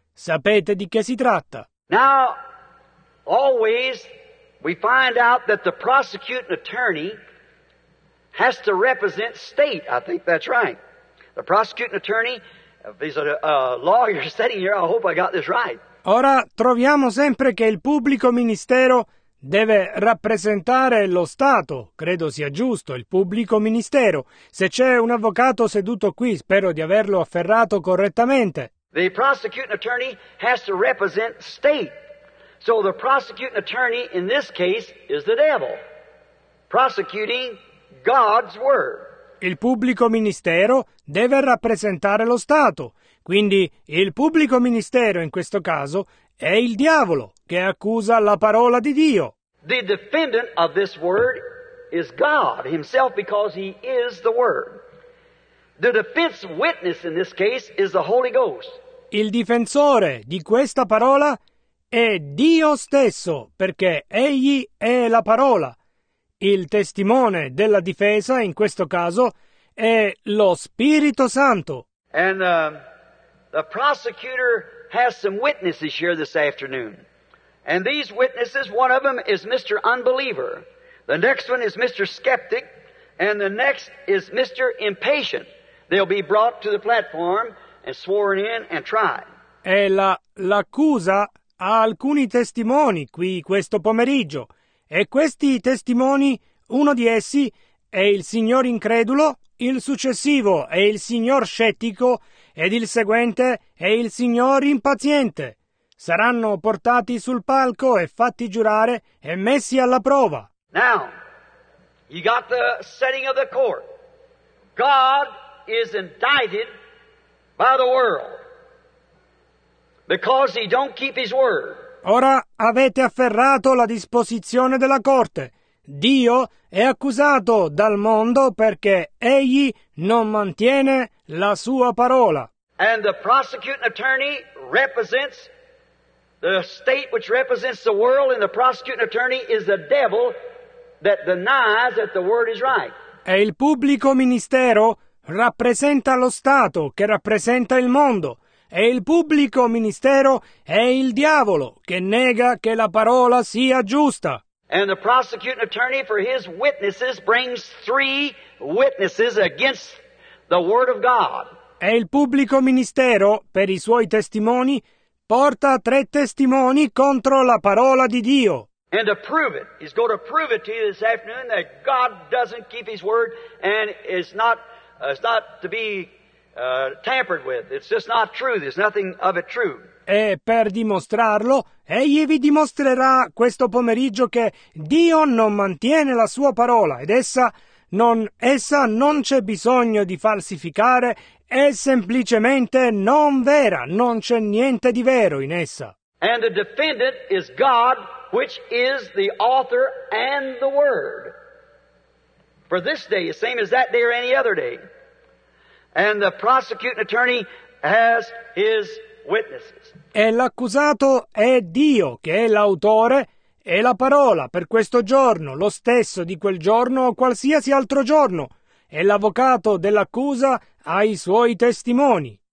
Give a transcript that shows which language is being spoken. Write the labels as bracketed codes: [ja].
[it] Sapete di che si tratta. [en] Now, always we find out that the prosecuting attorney has to represent state. I think that's right. The prosecuting attorney, these are lawyer sitting here, I hope I got this right. [it] Ora troviamo sempre che il pubblico ministero deve rappresentare lo Stato, credo sia giusto, il pubblico ministero. Se c'è un avvocato seduto qui, spero di averlo afferrato correttamente. [en] The prosecuting attorney has to represent state. So the prosecuting attorney in this case is the devil, prosecuting God's word. [it] Il pubblico ministero deve rappresentare lo Stato. Quindi il pubblico ministero in questo caso è il diavolo che accusa la parola di Dio. [en] The defendant of this word is God himself because he is the word. The defense witness in this case is the Holy Ghost. [it] Il difensore di questa parola è Dio stesso perché egli è la parola. Il testimone della difesa in questo caso è lo Spirito Santo. [en] And the prosecutor has some witnesses here this afternoon. And these witnesses, one of them is Mr. Unbeliever. The next one is Mr. Skeptic. And the next is Mr. Impatient. They'll be brought to the platform and sworn in and tried. [it] E l'accusa ha alcuni testimoni qui questo pomeriggio. E questi testimoni, uno di essi è il signor incredulo, il successivo è il signor scettico ed il seguente è il signor impaziente. Saranno portati sul palco e fatti giurare e messi alla prova. [en] Now, you got the setting of the court. God is indicted by the world because he don't keep his word. [it] Ora avete afferrato la disposizione della corte. Dio è accusato dal mondo perché egli non mantiene la sua parola. [en] And the prosecuting attorney represents the state which represents the world, and the prosecuting attorney is the devil that denies that the word is right. [it] E il pubblico ministero rappresenta lo Stato che rappresenta il mondo. E il pubblico ministero è il diavolo che nega che la parola sia giusta. [en] And the prosecuting attorney for his witnesses brings three witnesses against the word of God. [it] E il pubblico ministero per i suoi testimoni porta tre testimoni contro la parola di Dio. [en] And to prove it, he's going to prove it to you this afternoon that God doesn't keep his word and is not to be tampered with. It's just not true. There's nothing of it true. [it] E per dimostrarlo, egli vi dimostrerà questo pomeriggio che Dio non mantiene la sua parola ed essa non c'è bisogno di falsificare, è semplicemente non vera, non c'è niente di vero in essa. [en] And the defendant is God, which is the author and the word. For this day is same as that day or any other day. And the prosecuting attorney has his witnesses. [it] E l'accusato è Dio, che è l'autore e la parola per questo giorno, lo stesso di quel giorno o qualsiasi altro giorno. E l'avvocato dell'accusa ha i suoi testimoni.